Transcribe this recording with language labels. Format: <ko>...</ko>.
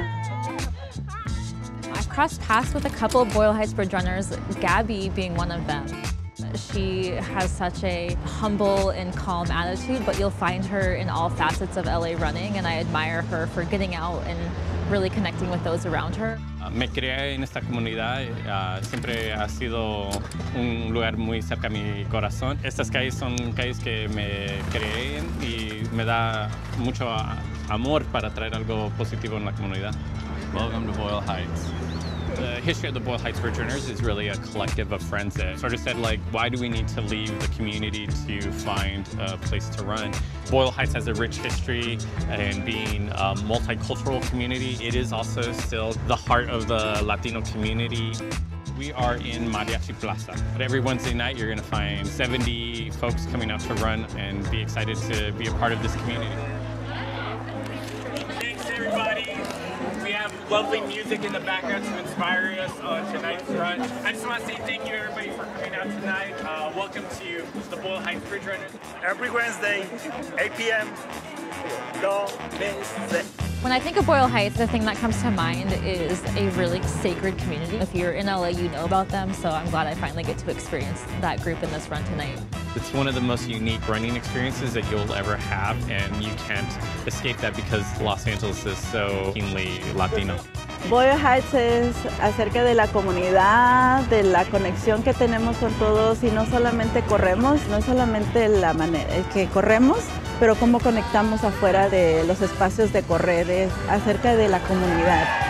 <en>I crossed paths with a couple of Boyle Heights Bridge Runners, Gabby being one of them. She has such a humble and calm attitude, but you'll find her in all facets of LA running, and I admire her for getting out and really connecting with those around her.</en> <es>Me crié en esta comunidad, siempre ha sido un lugar muy cerca a mi corazón. Estas calles son calles que me creé y me da mucho amor para traer algo positivo en la comunidad.</es> <en>Welcome to Boyle Heights. The history of the Boyle Heights Bridge Runners is really a collective of friends that sort of said, like, why do we need to leave the community to find a place to run? Boyle Heights has a rich history and being a multicultural community. It is also still the heart of the Latino community. We are in Mariachi Plaza. Every Wednesday night, you're going to find 70 folks coming out to run and be excited to be a part of this community. Thanks, everybody. We have lovely music in the background to inspire us on tonight's run. I just want to say thank you, everybody, for coming out tonight. Welcome to you, the Boyle Heights Bridge Runners. Every Wednesday, 8 p.m., don't miss it. When I think of Boyle Heights, the thing that comes to mind is a really sacred community. If you're in LA, you know about them, so I'm glad I finally get to experience that group in this run tonight. It's one of the most unique running experiences that you'll ever have, and you can't escape that because Los Angeles is so keenly Latino.</en> <es>Boyle Heights es acerca de la comunidad, de la conexión que tenemos con todos, y no solamente corremos, no solamente la manera que corremos, pero cómo conectamos afuera de los espacios de correr, es acerca de la comunidad.</es>